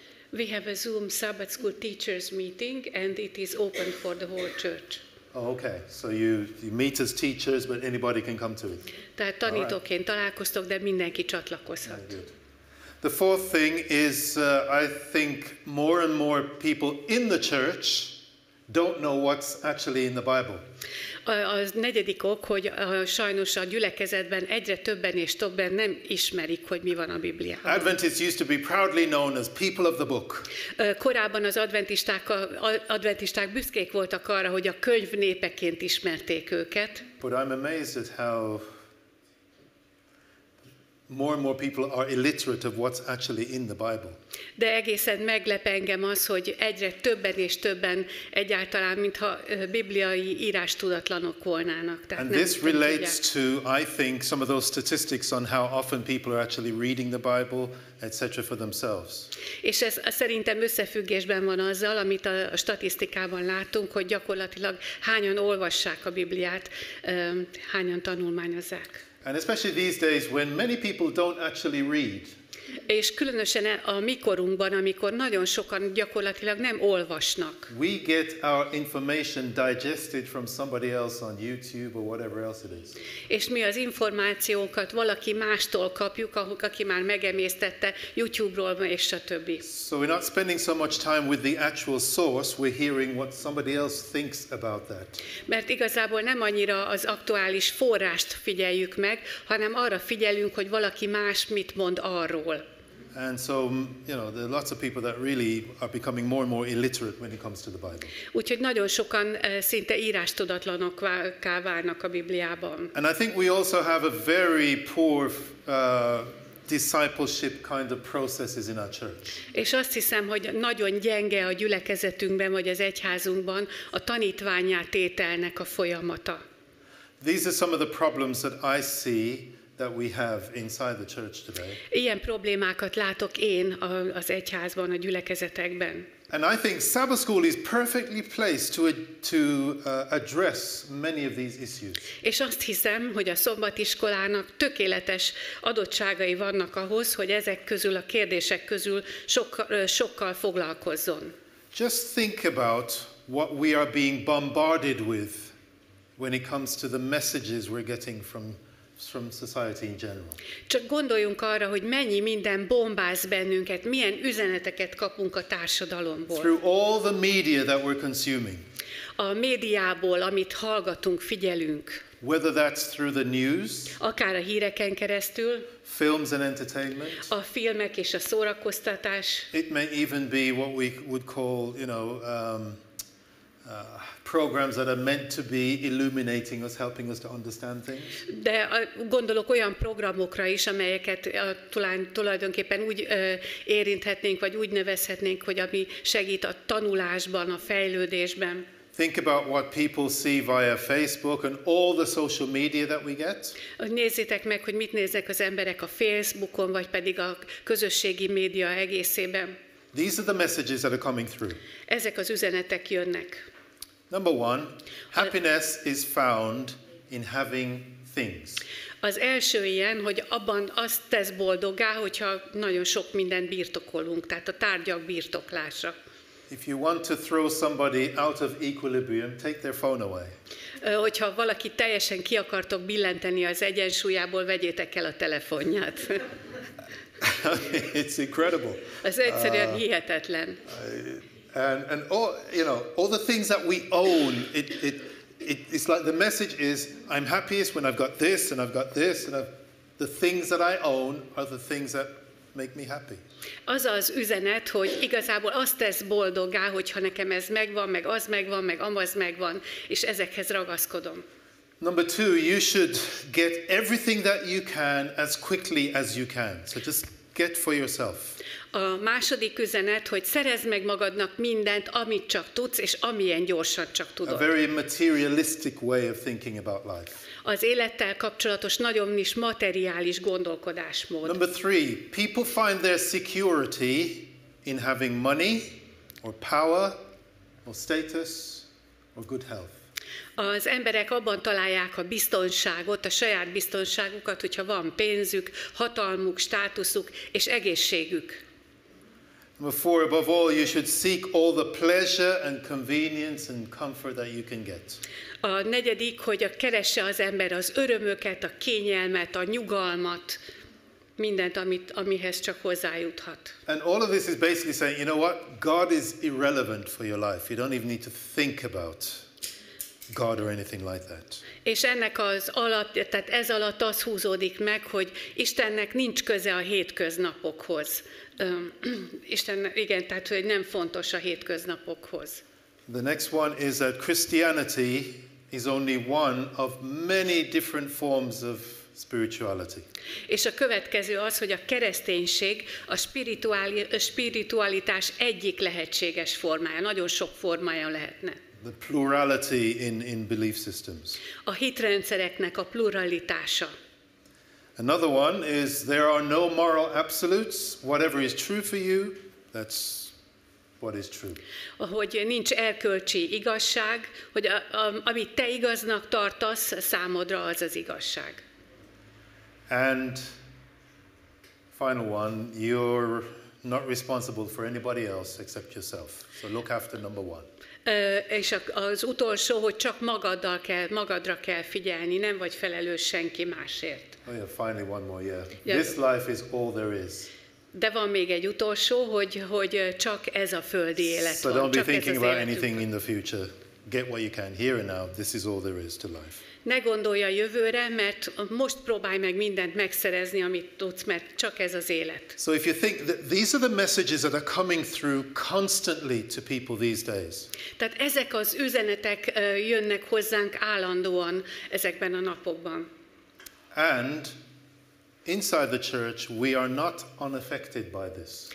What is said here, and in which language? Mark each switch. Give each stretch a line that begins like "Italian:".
English: We have a Zoom Sabbath school teachers meeting, and it is open for the whole church. Oh, okay, so you meet as teachers, but anybody can come to it.
Hungarian: Tehát tanítóként right. Találkoztok, de mindenki csatlakozhat.
English: The fourth thing is, I think more and more people in the church don't know what's actually in the Bible.
Hungarian: A negyedik ok, hogy sajnos a gyülekezetben egyre többen és többen nem ismerik, hogy mi van a Bibliában.
English: Adventists used to be proudly known as people of the book.
Hungarian: Korábban az adventisták büszkék voltak arra, hogy a könyv népeként ismerték őket.
English: But I'm amazed at how more and more people are illiterate of what's actually in the Bible.
Hungarian: De egészen meglep engem az, hogy egyre többen és többen egyáltalán, mintha bibliai írás tudatlanok volnának. Tehát
English: and this relates to, I think, some of those statistics on how often people are actually reading the Bible, etc. for themselves.
Hungarian: És ez szerintem összefüggésben van azzal, amit a statisztikában látunk, hogy gyakorlatilag hányan olvassák a Bibliát, hányan tanulmányozzák.
English: And especially these days when many people don't actually read.
Hungarian: És különösen a mi korunkban, amikor nagyon sokan gyakorlatilag nem olvasnak.
English: We get our information digested from somebody else on YouTube or whatever else it is.
Hungarian: És mi az információkat valaki mástól kapjuk, aki már megemésztette YouTube-ról és stb.
English: So we're not spending so much time with the actual source, we're hearing what somebody else thinks about that.
Hungarian: Mert igazából nem annyira az aktuális forrást figyeljük meg, hanem arra figyelünk, hogy valaki más mit mond arról.
English: And so, you know, there are lots of people that really are becoming more and more illiterate when it comes to the Bible.
Hungarian: Úgyhogy nagyon sokan szinte írástudatlanokká válnak a Bibliában.
English: And I think we also have a very poor discipleship kind of processes in our church.
Hungarian: És azt hiszem, hogy nagyon gyenge a gyülekezetünkben vagy az egyházunkban a tanítványátételnek a folyamata.
English: These are some of the problems that I see that we have inside the church today.
Hungarian: Ilyen problémákat látok én az egyházban, a gyülekezetekben.
English: And I think Sabbath school is perfectly placed to address many of these issues.
Hungarian: És azt hiszem, hogy a szombatiskolának tökéletes adottságai vannak ahhoz, hogy ezek közül a kérdések közül sokkal foglalkozzon.
English: Just think about what we are being bombarded with when it comes to the messages we're getting from society in general.
Hungarian: Csak gondoljunk arra, hogy mennyi minden bombáz bennünket, milyen üzeneteket kapunk a társadalomból.
English: Through all the media that we're consuming.
Hungarian: A médiából, amit hallgatunk, figyelünk.
English: Whether that's through the news.
Hungarian: Akár a híreken keresztül.
English: Films and entertainment.
Hungarian: A filmek és a szórakoztatás.
English: It may even be what we would call, you know, programs that are meant to be illuminating us, helping us to understand things.
Hungarian: De gondolok olyan programokra is, amelyeket tulajdonképpen úgy érinthetnénk, vagy úgy nevezhetnénk, hogy ami segít a tanulásban, a fejlődésben.
English: Think about what people see via Facebook and all the social media that we get.
Hungarian: Nézzétek meg, hogy mit néznek az emberek a Facebookon, vagy pedig a közösségi média egészében.
English: These are the messages that are coming through.
Hungarian: Ezek az üzenetek jönnek.
English: Number one, happiness is found in having things.
Hungarian: Az első ilyen, hogy abban azt tesz boldoggá, hogyha nagyon sok mindent birtokolunk, tehát a tárgyak birtoklása.
English: If you want to throw somebody out of equilibrium, take their phone away.
Hungarian: Hogyha valaki teljesen ki akartok billenteni az egyensúlyából, vegyétek el a telefonját.
English: It's incredible.
Hungarian: Az egyszerűen hihetetlen.
English: And all the things that we own, it's like the message is, I'm happiest when I've got this and I've got this and the things that I own are the things that make me happy.
Hungarian: Az az üzenet, hogy igazából azt tesz boldoggá, hogyha nekem ez megvan, meg az megvan, meg amaz megvan, és ezekhez ragaszkodom.
English: Number two, you should get everything that you can as quickly as you can. So just get for yourself.
Hungarian: A második üzenet, hogy szerezd meg magadnak mindent, amit csak tudsz, és amilyen gyorsan csak tudod.
English: A very materialistic way of thinking about life.
Hungarian: Az élettel kapcsolatos nagyon is materiális gondolkodásmód.
English: Number three, people find their security in having money, or power, or status, or good health.
Hungarian: Az emberek abban találják a biztonságot, a saját biztonságukat, hogyha van pénzük, hatalmuk, státuszuk és egészségük.
English: Number four, above all, you should seek all the pleasure and convenience and comfort that you can get.
Hungarian: A negyedik, hogy keresse az ember az örömöket, a kényelmet, a nyugalmat, mindent, amihez csak hozzájuthat.
English: And all of this is basically saying, you know what, God is irrelevant for your life. You don't even need to think about God or anything like that.
Hungarian: És ennek az alatt, tehát ez alatt az húzódik meg, hogy Istennek nincs köze a hétköznapokhoz. Isten, igen, tehát hogy nem fontos a hétköznapokhoz.
English: The next one is that Christianity is only one of many different forms of spirituality.
Hungarian: És a következő az, hogy a kereszténység a spiritualitás egyik lehetséges formája, nagyon sok formája lehetne.
English: The plurality in belief systems.
Hungarian: A hitrendszereknek a pluralitása.
English: Another one is there are no moral absolutes. Whatever is true for you, that's what is true.
Hungarian: Hogy nincs erkölcsi igazság, hogy amit te igaznak tartasz, számodra az az igazság.
English: And final one, you're not responsible for anybody else except yourself. So look after number one.
Hungarian: És az utolsó, hogy csak magadra kell figyelni, nem vagy felelős senki másért.
English: Oh yeah, finally one more, yeah. This life is all there is.
Hungarian: De van még egy utolsó, hogy csak ez a földi élet.
English: So don't be
Hungarian: csak
English: thinking about anything in the future. Get what you can here and now. This is all there is to life.
Hungarian: Ne gondolj a jövőre, mert most próbálj meg mindent megszerezni, amit tudsz, mert csak ez az élet.
English: So if you think that these are the messages that are coming through constantly to people these days.
Hungarian: Tehát ezek az üzenetek jönnek hozzánk állandóan ezekben a napokban.
English: And inside the church we are not unaffected by this.